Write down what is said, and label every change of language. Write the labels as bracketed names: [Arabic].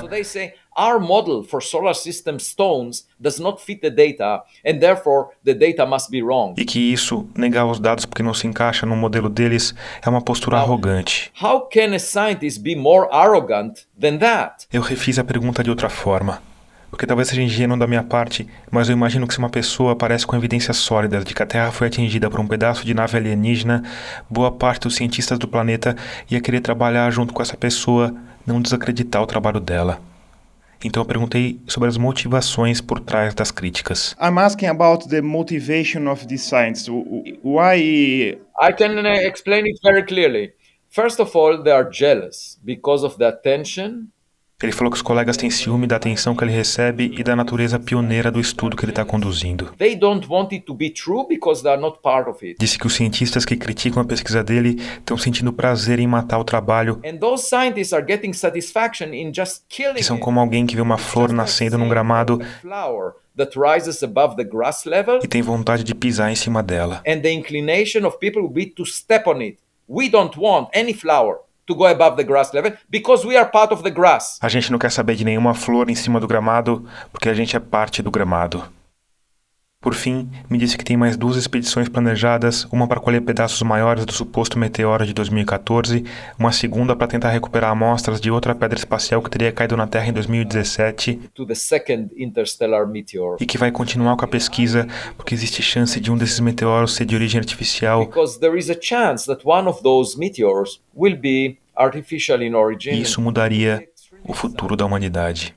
[English] So they say our model for solar system stones does not fit the data and therefore the data must be wrong. [Portuguese] E que isso, negar os dados porque não se encaixa no modelo deles, é uma postura arrogante. [English] How can a scientist be more arrogant than that? [Portuguese] Eu refiz a pergunta de outra forma. Porque talvez seja ingênuo da minha parte, mas eu imagino que se uma pessoa aparece com evidências sólidas de que a Terra foi atingida por um pedaço de nave alienígena, boa parte dos cientistas do planeta ia querer trabalhar junto com essa pessoa, não desacreditar o trabalho dela. Então eu perguntei sobre as motivações por trás das críticas. [English] I'm asking about the motivation of this science. Why? I can explain it very clearly. First of all, they are jealous because of the attention. [Portuguese] Ele falou que os colegas têm ciúme da atenção que ele recebe e da natureza pioneira do estudo que ele está conduzindo. [English] They don't want it to be true because they are not part of it. [Portuguese] Disse que os cientistas que criticam a pesquisa dele estão sentindo prazer em matar o trabalho. [English] And those scientists are getting satisfaction in just killing [Portuguese] it. Que são como alguém que vê uma flor nascendo num gramado [English] that rises above the grass level, [Portuguese] e tem vontade de pisar em cima dela. [English] And the inclination of people will be to step on it. We don't want any flower to go above the grass level because we are part of the grass. [Portuguese] A gente não quer saber de nenhuma flor em cima do gramado porque a gente é parte do gramado. Por fim, me disse que tem mais duas expedições planejadas, uma para colher pedaços maiores do suposto meteoro de 2014, uma segunda para tentar recuperar amostras de outra pedra espacial que teria caído na Terra em 2017, [English] to the second interstellar meteor. [Portuguese] E que vai continuar com a pesquisa porque existe chance de um desses meteoros ser de origem artificial. [English] Because there is a chance that one of those meteors will be artificial in origin. [Portuguese] E isso mudaria o futuro da humanidade.